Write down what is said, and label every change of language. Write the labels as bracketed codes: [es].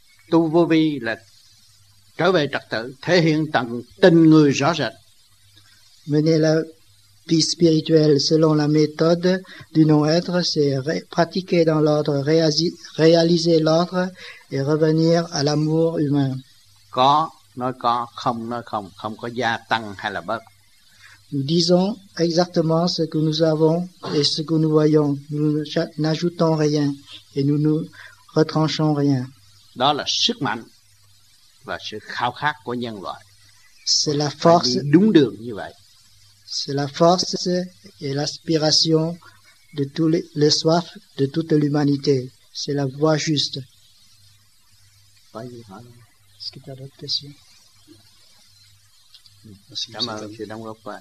[vi] Tu vô vi là trở về trật tự, thể hiện tận tình người rõ rệt. [fr] Mener la vie spirituelle selon la méthode du non-être, c'est pratiquer dans l'ordre, réaliser l'ordre et revenir à l'amour humain. [vi] Có, nói không, không có gia tăng hay là bớt. [fr] Nous disons exactement ce que nous avons et ce que nous voyons. Nous n'ajoutons rien et nous ne retranchons rien. [vi] Đó là sức mạnh và sự khao khát của nhân loại. [fr] C'est la force, [vi] đúng đường như vậy. [fr] C'est la force et l'aspiration de tous les soif de toute l'humanité. C'est la voie juste. Vas-y, est-ce que tu as d'autres questions? Merci, [vi] cảm ơn sự đóng góp.